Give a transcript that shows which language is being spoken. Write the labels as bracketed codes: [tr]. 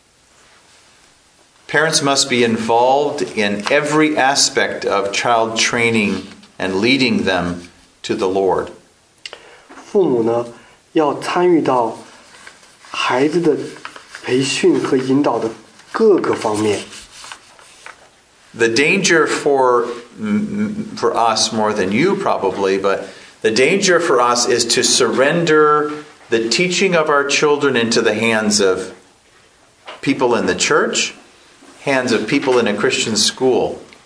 [zh] 撒旦呢，他要摧毁这个家庭，摧毁这个父母和孩子之间的关系，最终要摧毁教会。 [en] Parents must be involved in every aspect of child training and leading them to the Lord. [zh] 父母呢，要参与到孩子的培训和引导的各个方面。 [en] The danger for us, more than you probably, but the danger for us is to surrender the teaching of our children into the hands of people in the church, hands of people in a Christian school.